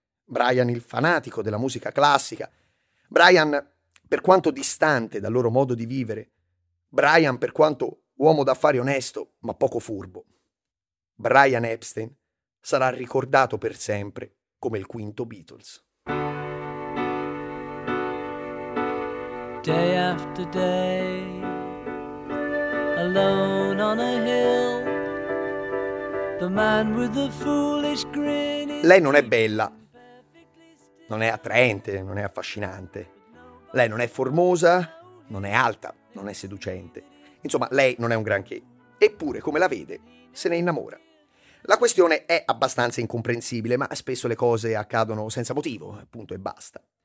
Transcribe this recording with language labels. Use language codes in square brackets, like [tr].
[it] Brian il fanatico della musica classica, Brian per quanto distante dal loro modo di vivere, Brian per quanto uomo d'affari onesto ma poco furbo. Brian Epstein sarà ricordato per sempre come il quinto Beatles. [en] Day after day, alone on a hill, the man with the foolish grin. [it] Lei non è bella. Non è attraente, non è affascinante. Lei non è formosa, non è alta, non è seducente. Insomma, lei non è un granché. Eppure, come la vede, se ne innamora. La questione è abbastanza incomprensibile, ma spesso le cose accadono senza motivo, appunto, e basta.